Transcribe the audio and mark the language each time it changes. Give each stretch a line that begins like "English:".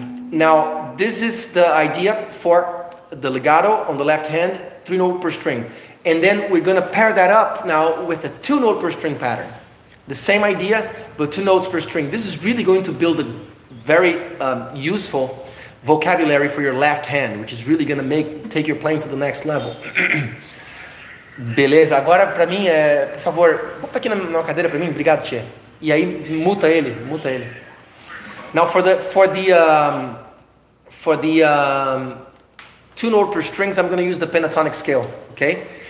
English: Now, this is the idea for the legato on the left hand, three note per string. And then we're gonna pair that up now with a two note per string pattern. The same idea, but two notes per string. This is really going to build a very useful vocabulary for your left hand, which is really gonna take your playing to the next level.
Portuguese: Beleza, agora pra mim é, por favor, bota aqui na cadeira pra mim, obrigado, tia. E aí, muta ele.
English: Now for the two note per strings, I'm going to use the pentatonic scale, okay?